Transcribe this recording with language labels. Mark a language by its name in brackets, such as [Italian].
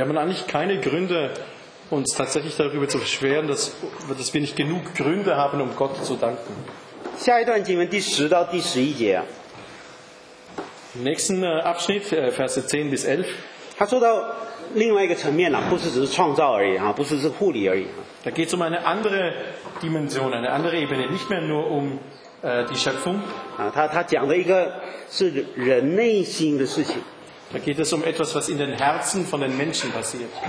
[German] Wir haben eigentlich keine Gründe, uns tatsächlich darüber zu beschweren, dass wir nicht genug Gründe haben, um Gott zu danken. [Chinese] 下一段经文第10到第11节。 [German] Im nächsten Abschnitt, Verse 10 bis 11. [Chinese] 他说到另外一个层面,不是只是创造而已,不是只是护理而已。 [German] Da geht es um eine andere Dimension, eine andere Ebene, nicht mehr nur um die Schöpfung. [Chinese] 他讲的一个是人内心的事情。 [German] Da geht es um etwas, was in den Herzen von den Menschen passiert.